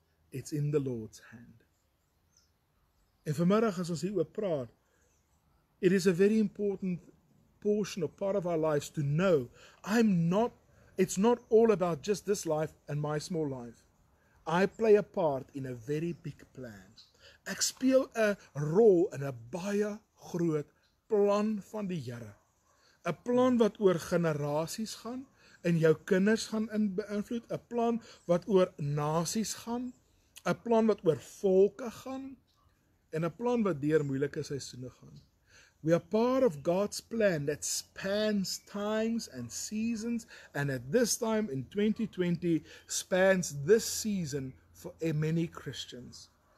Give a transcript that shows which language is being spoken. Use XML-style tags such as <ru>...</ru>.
<en>It's in the Lord's hand.</en> <af>En vanmiddag as ons hieroor praat,</af> <en>it is a very important portion or part of our lives to know, it's not all about just this life and my small life. I play a part in a very big plan.</en> <af>Ek speel een rol in een baie groot plan van die Here. Een plan wat oor generaties gaan, en jou kinders gaan beïnvloed. Een plan wat oor nasies gaan, een plan wat oor volke gaan, en een plan wat deur moeilike seisoene gaan.</af> <en>We are part of God's plan that spans times and seasons, and at this time in 2020 spans this season for many Christians.</en>